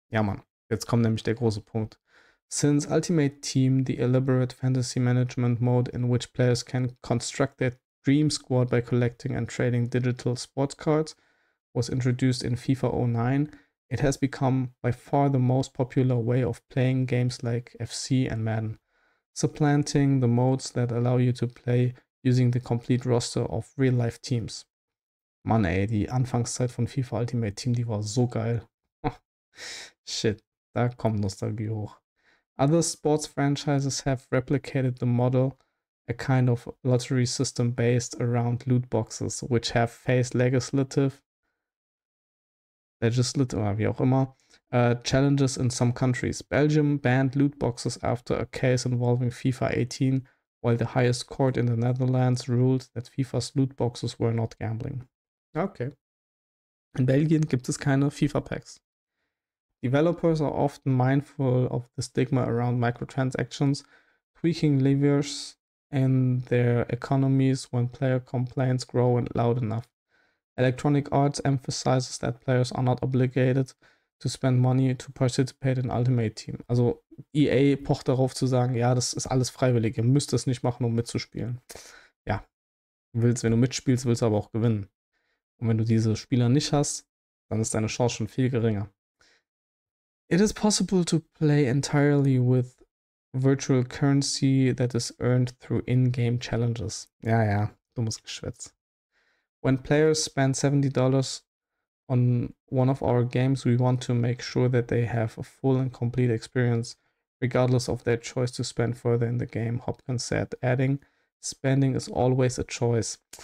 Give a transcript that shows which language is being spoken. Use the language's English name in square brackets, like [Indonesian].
[German] Ja man, jetzt kommt nämlich der große Punkt. [English] Since Ultimate Team, the elaborate fantasy management mode in which players can construct their dream squad by collecting and trading digital sports cards, was introduced in FIFA 09, it has become by far the most popular way of playing games like FC and Madden, supplanting the modes that allow you to play using the complete roster of real-life teams. [German] Mann ey, die Anfangszeit von FIFA Ultimate Team, die war so geil. Shit, da kommt Nostalgie hoch. [English] Other sports franchises have replicated the model, a kind of lottery system based around loot boxes, which have faced challenges in some countries. Belgium banned loot boxes after a case involving FIFA 18, while the highest court in the Netherlands ruled that FIFA's loot boxes were not gambling. Okay. [German] In Belgien gibt es keine FIFA-Packs. [English] Developers are often mindful of the stigma around microtransactions, tweaking levers and their economies when player complaints grow loud enough. Electronic Arts emphasizes that players are not obligated to spend money to participate in Ultimate Team. [German] Also EA pocht darauf zu sagen, ja, das ist alles freiwillig, ihr müsst das nicht machen, um mitzuspielen. Ja, willst, wenn du mitspielst, willst du aber auch gewinnen. Und wenn du diese Spieler nicht hast, dann ist deine Chance schon viel geringer. [English] It is possible to play entirely with virtual currency that is earned through in-game challenges. [German] Ja, ja, dummes Geschwätz. [English] When players spend $70 on one of our games, we want to make sure that they have a full and complete experience, regardless of their choice to spend further in the game, Hopkins said, adding, spending is always a choice.